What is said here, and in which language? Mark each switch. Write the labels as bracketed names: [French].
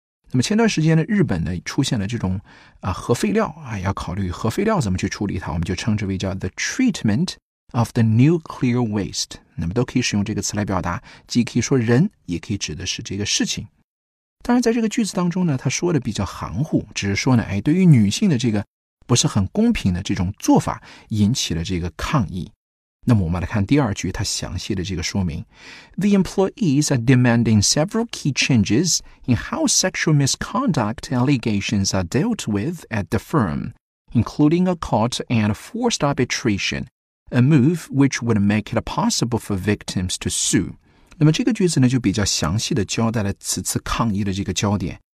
[Chinese] 那么前段时间呢，日本呢出现了这种核废料啊，要考虑核废料怎么去处理它，我们就称之为叫 [English] the treatment of the nuclear waste， [Chinese] 那么都可以使用这个词来表达，既可以说人，也可以指的是这个事情。当然在这个句子当中呢，他说的比较含糊，只是说呢，对于女性的这个不是很公平的这种做法引起了这个抗议。那么我们来看第二句，它详细的这个说明。 [English] The employees are demanding several key changes in how sexual misconduct allegations are dealt with at the firm, including a court and forced arbitration, a move which would make it possible for victims to sue. [Chinese] 那么这个句子呢，就比较详细的交代了此次抗议的这个焦点。